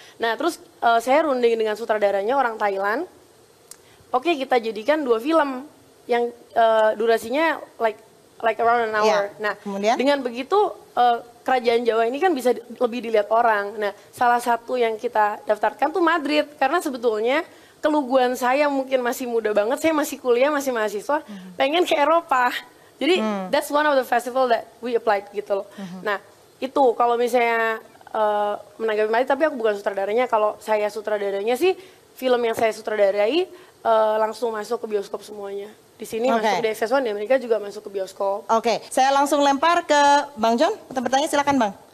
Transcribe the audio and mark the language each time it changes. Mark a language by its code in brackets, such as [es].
[id] Nah, terus saya runding dengan sutradaranya orang Thailand. Oke, kita jadikan dua film yang durasinya [en] like around an hour. [id] Ya, nah, kemudian? Dengan begitu kerajaan Jawa ini kan bisa lebih dilihat orang. Nah, salah satu yang kita daftarkan tuh Madrid. Karena sebetulnya keluguan saya mungkin masih muda banget, saya masih kuliah, masih mahasiswa, pengen ke Eropa. [en] Jadi, that's one of the festival that we applied gitu loh. [id] Nah, itu kalau misalnya menanggapi Madrid, tapi aku bukan sutradaranya. Kalau saya sutradaranya sih, film yang saya sutradarai, langsung masuk ke bioskop semuanya. Di sini masuk di FS1, di Amerika juga masuk ke bioskop. Saya langsung lempar ke Bang John. Pertanyaan silakan Bang.